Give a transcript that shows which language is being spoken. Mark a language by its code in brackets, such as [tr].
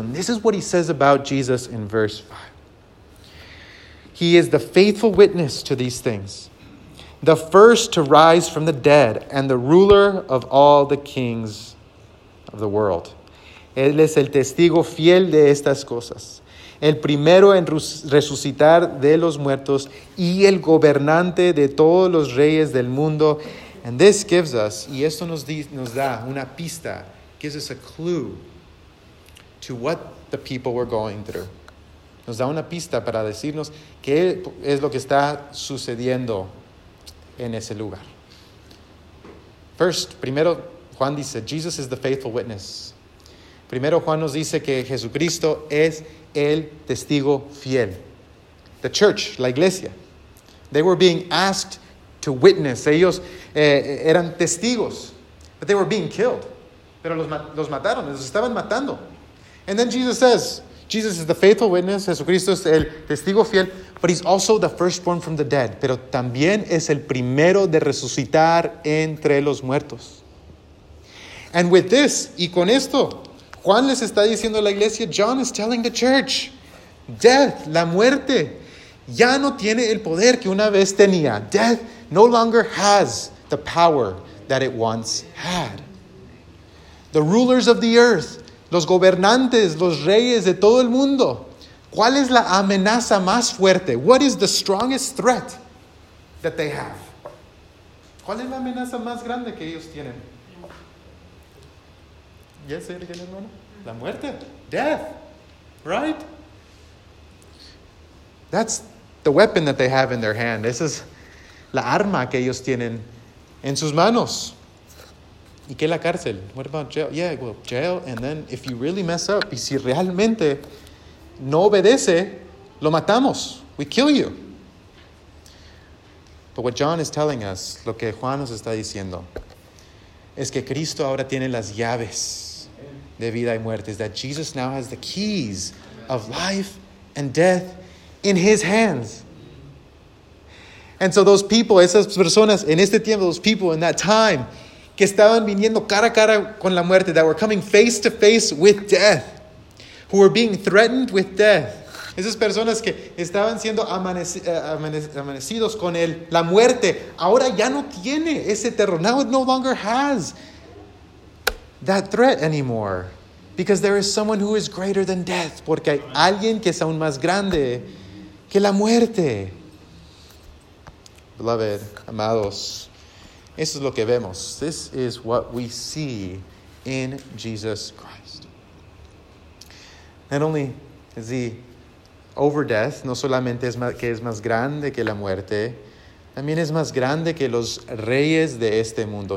[en] And this is what he says about Jesus in verse 5. He is the faithful witness to these things, the first to rise from the dead and the ruler of all the kings of the world. [es] Él es el testigo fiel de estas cosas, el primero en resucitar de los muertos y el gobernante de todos los reyes del mundo. [en] And this gives us, [es] y esto nos da una pista, [en] gives us a clue to what the people were going through. [es] Nos da una pista para decirnos qué es lo que está sucediendo en ese lugar. Primero Juan dice, [en] Jesus is the faithful witness. [es] Primero Juan nos dice que Jesucristo es el testigo fiel. [en] The church, [es] la iglesia. [en] They were being asked to witness. [es] Ellos eran testigos, [en] but they were being killed. [es] Pero los mataron, los estaban matando. [en] And then Jesus says, Jesus is the faithful witness. [es] Jesucristo es el testigo fiel. [en] But he's also the firstborn from the dead. [es] Pero también es el primero de resucitar entre los muertos. [en] And with this, [es] y con esto, Juan les está diciendo a la iglesia, [en] John is telling the church, [es] death, la muerte, ya no tiene el poder que una vez tenía. [en] Death no longer has the power that it once had. The rulers of the earth, [es] los gobernantes, los reyes de todo el mundo, ¿Cuál es la amenaza más fuerte? [en] What is the strongest threat that they have? [es] ¿Cuál es la amenaza más grande que ellos tienen? [en] Yes, hermano. La muerte. Death. Right? That's the weapon that they have in their hand. [es] Esa es la arma que ellos tienen en sus manos. ¿Y qué la cárcel? [en] What about jail? Yeah, well, jail. And then if you really mess up, [es] y si realmente no obedece, lo matamos. [en] We kill you. But what John is telling us, [es] lo que Juan nos está diciendo, es que Cristo ahora tiene las llaves de vida y muerte. [en] Is that Jesus now has the keys of life and death in his hands. And so those people, [es] esas personas, en este tiempo, [en] those people in that time, [es] que estaban viniendo cara a cara con la muerte, [en] that were coming face to face with death, who were being threatened with death. [es] Esas personas que estaban siendo amanecidos con él, la muerte, ahora ya no tiene ese terror. [en] Now it no longer has that threat anymore. Because there is someone who is greater than death. [es] Porque hay alguien que es aún más grande que la muerte. Beloved, amados, eso es lo que vemos. [en] This is what we see in Jesus Christ. Not only is he over death, [es] no solamente es más, que es más grande que la muerte, también es más grande que los reyes de este mundo.